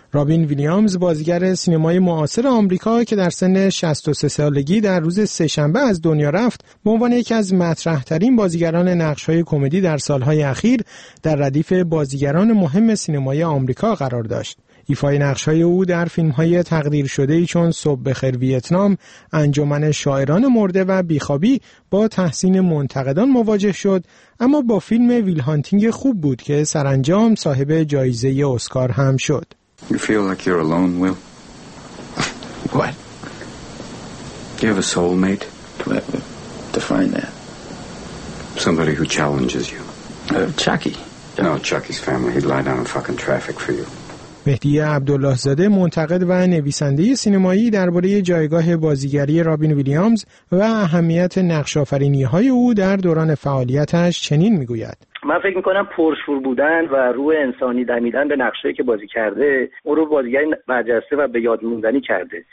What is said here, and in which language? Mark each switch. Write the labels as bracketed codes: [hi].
[fa] رابین ویلیامز، بازیگر سینمای معاصر آمریکا که در سن 63 سالگی در روز سه‌شنبه از دنیا رفت، به عنوان یکی از مطرح‌ترین بازیگران نقش‌های کمدی در سال‌های اخیر در ردیف بازیگران مهم سینمای آمریکا قرار داشت. ایفای نقش‌های او در فیلم‌های تقدیر شده چون صبح بخیر ویتنام، انجمن شاعران مرده و بیخوابی با تحسین منتقدان مواجه شد، اما با فیلم ویل هانتینگ خوب بود که سرانجام صاحب جایزه اسکار هم شد. [en] You feel like you're alone, Will? What? You have a soulmate? Define that. Somebody who challenges you. Chucky. No, Chucky's family. He'd lie down in fucking traffic for you. [fa] مهدی عبدالله زاده منتقد و نویسنده سینمایی درباره جایگاه بازیگری رابین ویلیامز و اهمیت نقش آفرینی های او در دوران فعالیتش چنین میگوید: من فکر میکنم پرشور بودن و روح انسانی دمیدن به نقشه که بازی کرده او رو بازیگری برجسته و به یاد موندنی کرده.